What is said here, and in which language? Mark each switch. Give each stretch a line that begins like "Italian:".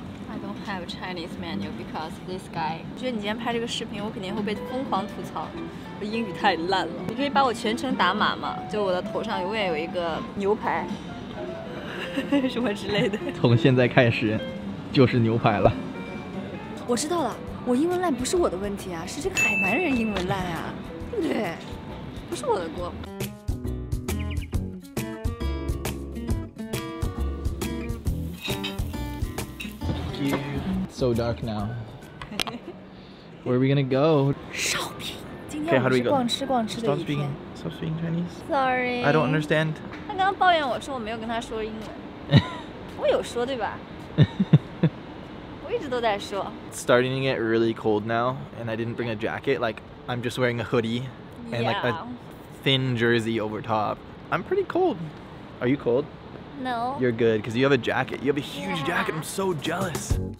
English: I don't have a Chinese menu because this guy.
Chinese: 我觉得你今天拍这个视频，我肯定会被疯狂吐槽，我英语太烂了。你可以把我全程打码吗？就我的头上永远有一个牛排。什么之类的，从现在开始就是牛排了。我知道了，我英文烂不是我的问题啊，是这个海南人英文烂啊，对不对？不是我的锅。
English: Thank you. So dark now. Where are we gonna go? Shopping. Okay, how do we go?
Chinese: 逛吃逛吃的一天。
English: Stop speaking Chinese. Sorry. I don't understand.
Chinese: 他刚刚抱怨我说我没有跟他说英文。我有说对吧？我一直都在说。
English: It's starting to get really cold now, and I didn't bring a jacket. Like, I'm just wearing a hoodie and like a thin jersey over top. I'm pretty cold. Are you cold? No. You're good because you have a jacket. You have a huge jacket. I'm so jealous.